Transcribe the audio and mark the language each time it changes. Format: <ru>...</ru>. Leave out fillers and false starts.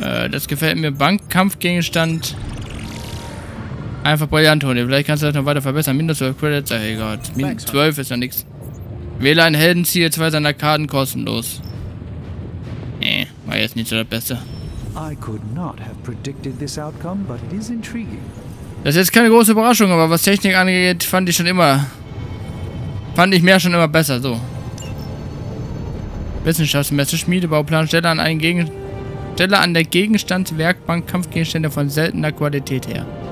<de>Das gefällt mir. Bankkampfgegenstand. Einfach brillant, Tony. Vielleicht kannst du das noch weiter verbessern. Minus 12 Credits. Oh, egal. Minus 12 ist ja nichts. Wähle einen Helden, ziehe zwei seiner Karten kostenlos. War jetzt nicht so das Beste.</de> <en>I could not have predicted this outcome, but it is intriguing.</en> <de>Das ist jetzt keine große Überraschung, aber was Technik angeht, fand ich mehr schon immer besser, so. Wissenschaftsmesse, Schmiedebauplan, Stelle an der Gegenstandswerkbank Kampfgegenstände von seltener Qualität her.</de>